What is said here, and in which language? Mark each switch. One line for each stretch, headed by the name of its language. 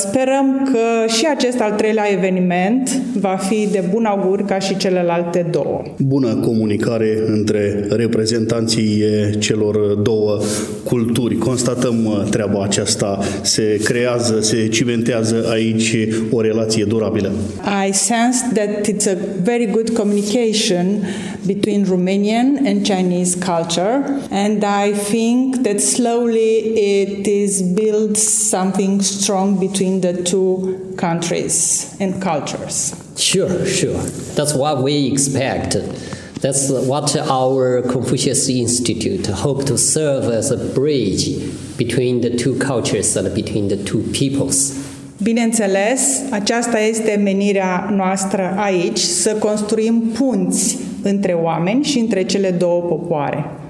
Romanian: Sperăm că și acest al treilea eveniment va fi de bun augur ca și celelalte două. Bună comunicare între reprezentanții celor două culturi. Constatăm treaba aceasta. Se creează, se cimentează aici o relație durabilă.
English: I sense that it's a very good communication between Romanian and Chinese culture, and I think that slowly it is built something strong between the two countries and cultures. Sure, sure. That's what we expect. That's what our Confucius Institute hope to serve as a bridge between the two cultures and between the two peoples.
Romanian: Bineînțeles, aceasta este menirea noastră aici, să construim punți între oameni și între cele două popoare.